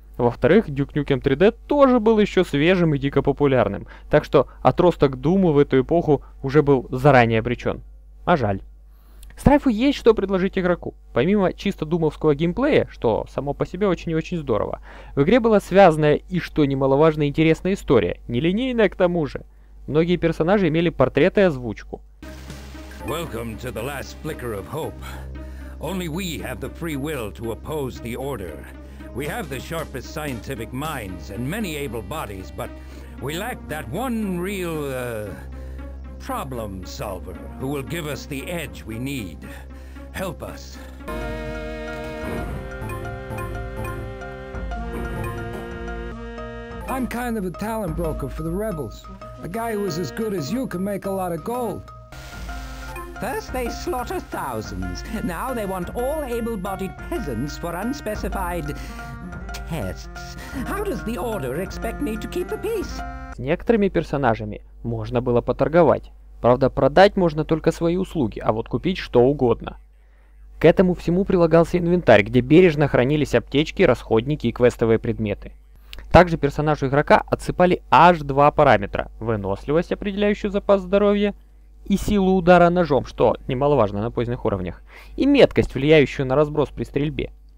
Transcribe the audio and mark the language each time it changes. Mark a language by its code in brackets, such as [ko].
[ru] Во-вторых, Duke Nukem 3D тоже был еще свежим и дико популярным, так что отросток Дума в эту эпоху уже был заранее обречен. А жаль. Strife есть что предложить игроку. Помимо чисто думовского геймплея, что само по себе очень и очень здорово, в игре была связанная и, что немаловажно, интересная история, нелинейная к тому же. Многие персонажи имели портреты и озвучку. [en] Welcome to the last flicker of hope. Only we have the free will to oppose the order. We have the sharpest scientific minds and many able bodies, but we lack that one real, problem solver who will give us the edge we need. Help us. I'm kind of a talent broker for the rebels. A guy who is as good as you can make a lot of gold. First they slaughter thousands. Now they want all able-bodied peasants for unspecified tests. How does the order expect me to keep the peace? [ru] С некоторыми персонажами можно было поторговать. Правда, продать можно только свои услуги, а вот купить что угодно. К этому всему прилагался инвентарь, где бережно хранились аптечки, расходники и квестовые предметы. Также персонажу игрока отсыпали аж два параметра – выносливость, определяющую запас здоровья, и силу удара ножом, что немаловажно на поздних уровнях, и меткость, влияющую на разброс при стрельбе.